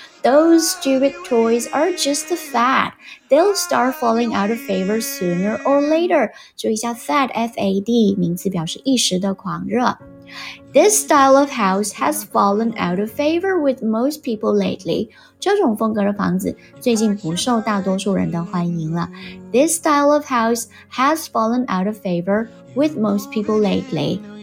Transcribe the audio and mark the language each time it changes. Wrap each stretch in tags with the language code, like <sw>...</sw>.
<en>Those stupid toys are just a fad. They'll start falling out of favor sooner or later.</en> <zh>注意一下 fad, F-A-D, 名词表示一时的狂热。</zh> <en>This style of house has fallen out of favor with most people lately.</en> <zh>这种风格的房子最近不受大多数人的欢迎了。</zh> <en>This style of house has fallen out of favor with most people lately.</en>